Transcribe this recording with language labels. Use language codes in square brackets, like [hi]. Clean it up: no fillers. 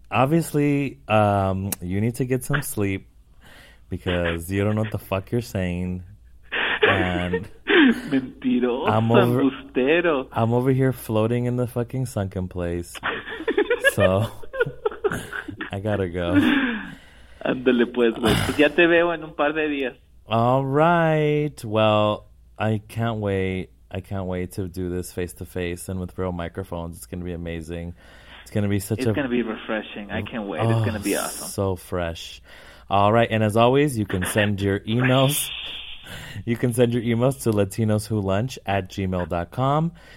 [en] Obviously, you need to get some sleep because you don't know what the fuck you're saying. And [es] mentiroso. [en] I'm over here floating in the fucking sunken place. So I gotta go. [es] Ándale pues, güey. Ya te veo en un par de días. [en] All right. Well, I can't wait to do this face-to-face and with real microphones. It's going to be amazing. It's going to be refreshing. I can't wait. Oh, it's going to be awesome. So fresh. All right. And as always, you can send your emails. You can send your emails to latinoswholunch@gmail.com.